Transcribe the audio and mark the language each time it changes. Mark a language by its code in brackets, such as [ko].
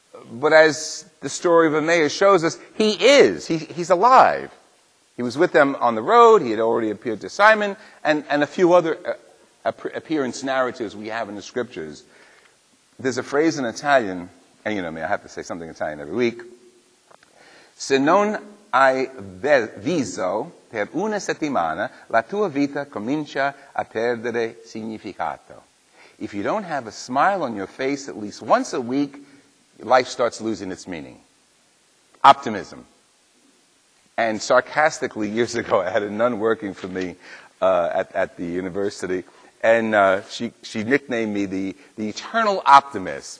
[en] But as the story of Emmaus shows us, he is. He's alive. He was with them on the road. He had already appeared to Simon. And a few other appearance narratives we have in the scriptures. There's a phrase in Italian. And you know me, I have to say something in Italian every week. [it] Se non hai viso per una settimana, la tua vita comincia a perdere significato. [en] If you don't have a smile on your face at least once a week, life starts losing its meaning. Optimism. And sarcastically, years ago, I had a nun working for me at the university, and she nicknamed me the eternal optimist.